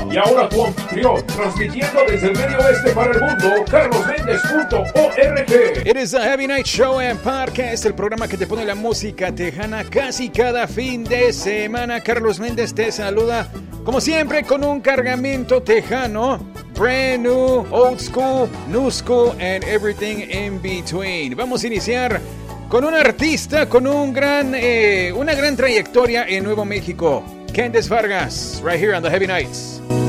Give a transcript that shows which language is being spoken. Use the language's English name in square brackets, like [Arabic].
[Spanish] Y ahora tu anfitrión, transmitiendo desde el medio oeste para el mundo, carlosmendez.org. [English] It is the Heavy Night Show and Podcast, [Spanish] el programa que te pone la música tejana casi cada fin de semana. Carlos Méndez te saluda, como siempre, con un cargamento tejano. [English] Brand new, old school, new school, and everything in between. [Spanish] Vamos a iniciar con un artista con un gran, una gran trayectoria en Nuevo México. [English] Candace Vargas, right here on the Heavy Nights.